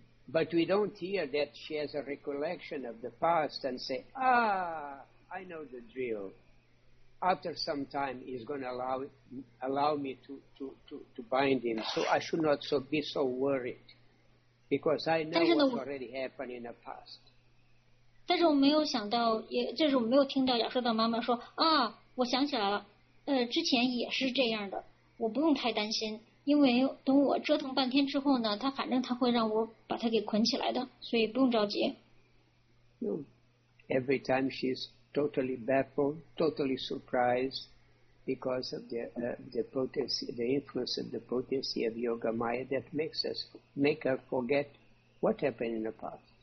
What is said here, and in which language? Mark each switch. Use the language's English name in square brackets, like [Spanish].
[English] But we don't hear that she has a recollection of the past and say, ah, I know the drill. After some time, he's going to allow me to bind him. So I should not be so worried. Because I know what's already happened in the past. [Chinese] 但是我没有想到，也就是我没有听到亚瑟的妈妈说啊，我想起来了，之前也是这样的，我不用太担心，因为等我折腾半天之后呢，他反正他会让我把他给捆起来的，所以不用着急。 [English] No, every time she's totally baffled, totally surprised because of the potency, the influence of the potency of Yoga Maya that makes her forget what happened in the past.